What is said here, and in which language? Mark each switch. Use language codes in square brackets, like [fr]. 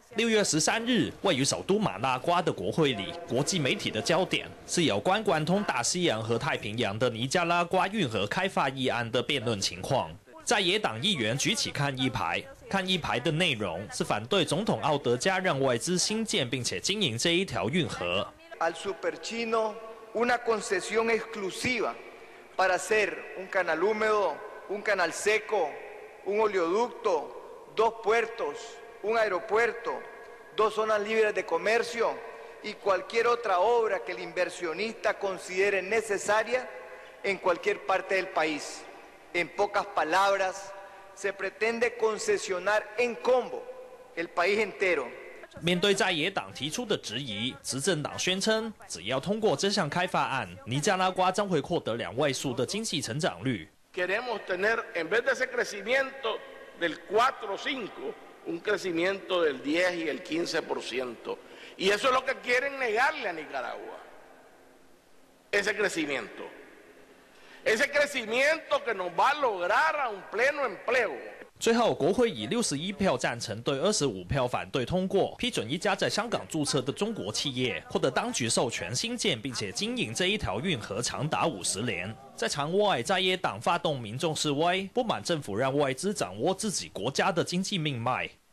[zh] 6月13日，位于首都马拉瓜的国会里，国际媒体的焦点是有关贯通大西洋和太平洋的尼加拉瓜运河开发议案的辩论情况。在野党议员举起抗议牌，抗议牌的内容是反对总统奥德加让外资新建并且经营这一条运河。 [es] Al superchino una concesión exclusiva para hacer un canal húmedo, un canal seco, un oleoducto, dos puertos, un aeropuerto, dos zonas libres de comercio y cualquier otra obra que el inversionista considere necesaria en cualquier parte del país. En pocas palabras, se pretende concesionar en combo el país entero. [zh] 面对在野党提出的质疑，执政党宣称只要通过这项开发案，尼加拉瓜将会获得2位数的经济成长率。 [es] Queremos tener en vez de ese crecimiento del 4-5, un crecimiento del 10-15%. Y eso es lo que quieren negarle a Nicaragua. Ese crecimiento. Ese crecimiento que nos va a lograr a un pleno empleo. [zh] 最后，国会以61票赞成对25票反对通过，批准一家在香港注册的中国企业获得当局授权新建并且经营这一条运河长达50年。在场外，在野党发动民众示威，不满政府让外资掌握自己国家的经济命脉。